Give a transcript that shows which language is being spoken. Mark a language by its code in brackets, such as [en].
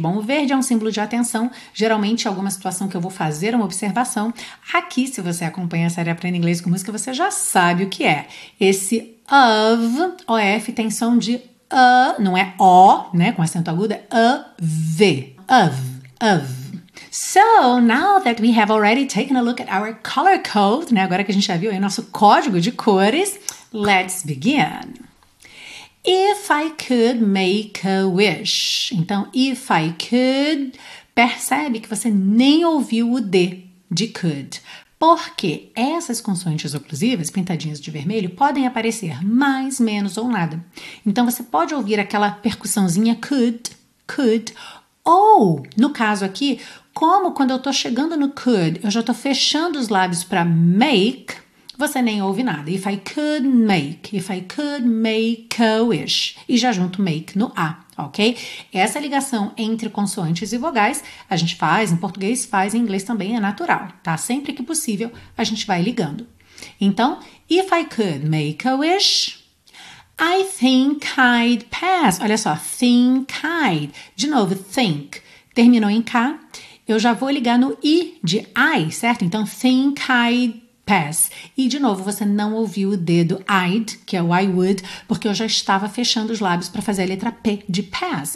[pt] Bom, o verde é um símbolo de atenção. Geralmente, em alguma situação que eu vou fazer uma observação. Aqui, se você acompanha a série Aprenda Inglês com Música, você já sabe o que é. Esse of, OF, tem som de a, não é O, né? Com acento agudo, é a, V. Of. [en] So, now that we have already taken a look at our color code, né? [pt] Agora que a gente já viu aí o nosso código de cores, [en] let's begin. If I could make a wish. [pt] Então, if I could, percebe que você nem ouviu o D de could. Porque essas consoantes oclusivas, pintadinhas de vermelho, podem aparecer mais, menos ou nada. Então você pode ouvir aquela percussãozinha could, ou, no caso aqui, como quando eu estou chegando no could, eu já estou fechando os lábios para make, você nem ouve nada. [en] If I could make a wish. [pt] E já junto make no A, ok? Essa ligação entre consoantes e vogais, a gente faz em português, faz em inglês também, é natural, tá? Sempre que possível, a gente vai ligando. [en] Então, if I could make a wish, I think I'd pass. [pt] Olha só, think I'd. De novo, think. Terminou em K. Eu já vou ligar no I de I, certo? Então, [en] think I'd pass. [pt] E, de novo, você não ouviu o dedo I'd, que é o I would, porque eu já estava fechando os lábios para fazer a letra P de pass.